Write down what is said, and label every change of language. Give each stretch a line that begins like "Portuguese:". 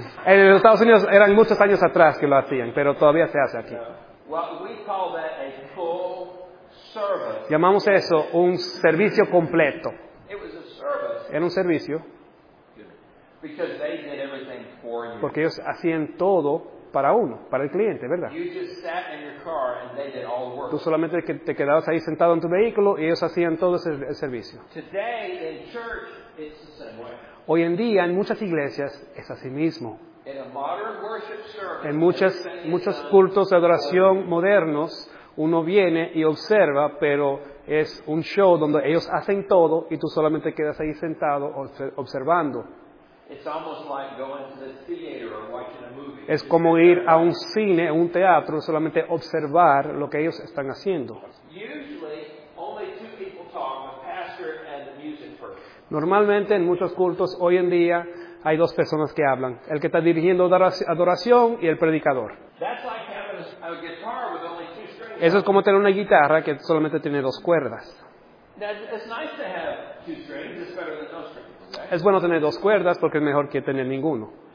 Spanish: En los Estados Unidos eran muchos años atrás que lo hacían, pero todavía se hace aquí.
English: Well, we call that a full service.
Spanish: Llamamos eso un servicio completo.
English: It was a service.
Spanish: Era un servicio.
English: Because they did everything for you.
Spanish: Porque ellos hacían todo para uno, para el cliente, ¿verdad?
English: You just sat in your car and they did all the work.
Spanish: Tú solamente te quedabas ahí sentado en tu vehículo y ellos hacían todo el servicio.
English: Today, in church, it's the same way.
Spanish: Hoy en día, en muchas iglesias, es así mismo.
English: In a modern worship service,
Spanish: en muchos cultos de adoración modernos, uno viene y observa, pero es un show donde ellos hacen todo y tú solamente quedas ahí sentado observando.
English: It's almost like going to the theater or watching a movie.
Spanish: Es como ir a un cine, a un teatro, solamente observar lo que ellos están haciendo.
English: Usually, only two people talk, a pastor and the music person.
Spanish: Normalmente, en muchos cultos, hoy en día, hay dos personas que hablan. El que está dirigiendo adoración y el predicador.
English: That's like having a guitar with only two strings.
Spanish: Eso es como tener una guitarra que solamente tiene dos cuerdas.
English: It's nice to have two strings, it's better than no strings.
Spanish: Es bueno tener dos cuerdas porque es mejor que tener ninguno.